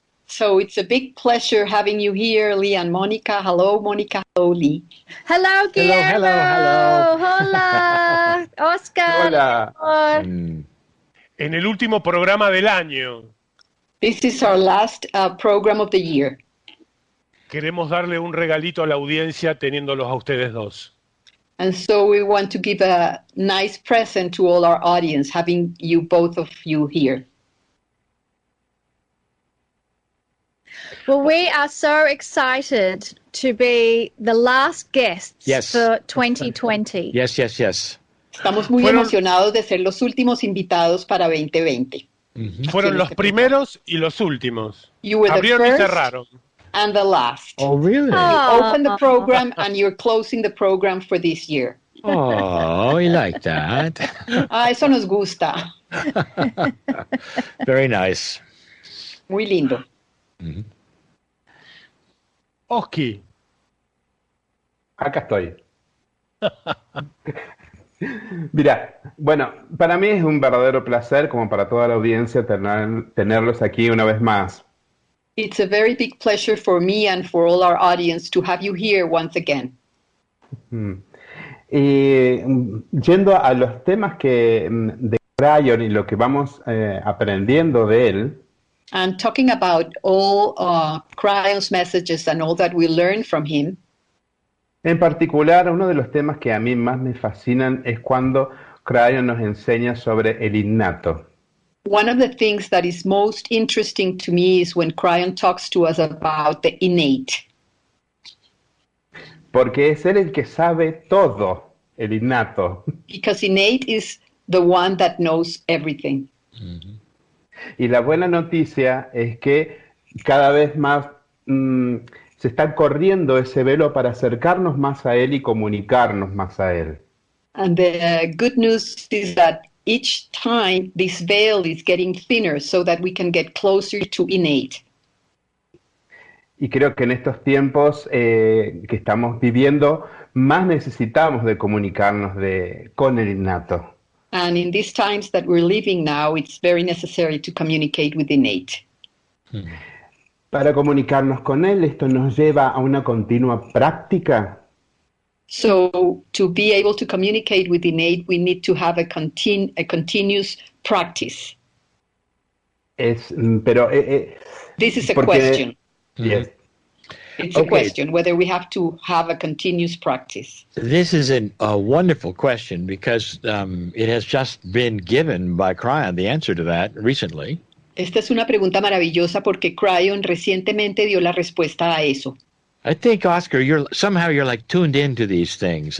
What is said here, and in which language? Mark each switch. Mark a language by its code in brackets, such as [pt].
[en] So it's a big pleasure having you here, Lee and Mónica. Hello, Mónica. Hello, Lee. Hello, Guillermo. Hello, hello, hello. [es] Hola, Oscar. Hola. En el último programa del año. [en] This is our last program of the year. [es] Queremos darle un regalito a la audiencia teniéndolos a ustedes dos. [en] And so we want to give a nice present to all our audience, having you both of you here. Well, we are so excited to be the last guests for 2020. Yes, yes, yes. [es] Estamos muy emocionados de ser los últimos invitados para 2020. Mm-hmm. Fueron los primeros y los últimos. [en] You were [es] abrieron [en] the first [es] y cerraron. [en] And the last. Oh, really? You opened the program and you're closing the program for this year. Oh, I like that. [es] Eso nos gusta. [en] Very nice. [es] Muy lindo. Mm-hmm. Oski. Acá estoy. Mira, bueno, para mí es un verdadero placer, como para toda la audiencia, tenerlos aquí una vez más. [en] It's a very big pleasure for me and for all our audience to have you here once again. [es] Y yendo a los temas que de Brian y lo que vamos aprendiendo de él. [en] And talking about all Cryon's messages and all that we learn from him. [es] En particular, uno de los temas que a mí más me fascinan es cuando Cryon nos enseña sobre el innato. [en] One of the things that is most interesting to me is when Cryon talks to us about the innate. [es] Porque es él el que sabe todo, el innato. [en] Because innate is the one that knows everything. Mm-hmm. [es] Y la buena noticia es que cada vez más se está corriendo ese velo para acercarnos más a él y comunicarnos más a él. [en] And the good news is that each time this veil is getting thinner so that we can get closer to innate. [es] Y creo que en estos tiempos que estamos viviendo, más necesitamos de comunicarnos con el innato. [en] And in these times that we're living now, it's very necessary to communicate with innate. [es] Para comunicarnos con él, esto nos lleva a una continua práctica. [en] So, to be able to communicate with innate, we need to have a continuous practice. This is a question. Yes. It's a question whether we have to have a continuous practice. This is a wonderful question because it has just been given by Cryon, the answer to that, recently. [es] Esta es una pregunta maravillosa porque Cryon recientemente dio la respuesta a eso. [en] I think, Oscar, you're somehow like tuned into these things.